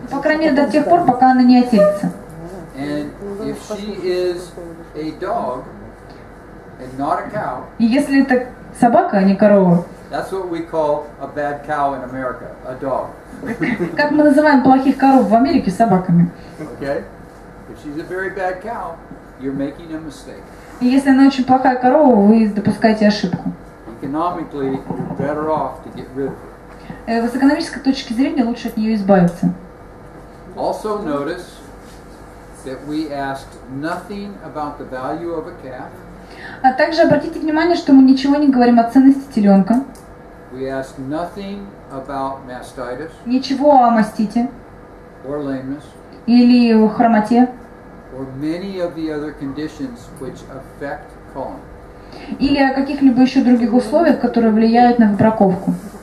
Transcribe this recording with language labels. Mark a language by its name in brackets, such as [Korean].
[Russian] По крайней мере до тех пор, пока она не отелится. [English] And if she is a dog and not a cow. [Russian] И если это собака, а не корова. [English] That's what we call a bad cow in America, a dog. [Russian] Как мы называем плохих коров в Америке собаками? [English] Okay. If she's a very bad cow, you're making a mistake. [Russian] И если она очень плохая корова, вы допускаете ошибку. [English] Economically, you're better off to get rid of her. [Russian] С экономической точки зрения лучше от нее избавиться. [English] Also notice that we asked nothing about the value of a calf. [Russian] А также обратите внимание, что мы ничего не говорим о ценности теленка. [English] We asked nothing about mastitis. [Russian] Ничего о мастите. [English] Or lameness. [Russian] Или о хромоте. [English] Or many of the other conditions which affect calling. [Russian] Или о каких-либо еще других условиях, которые влияют на выбраковку.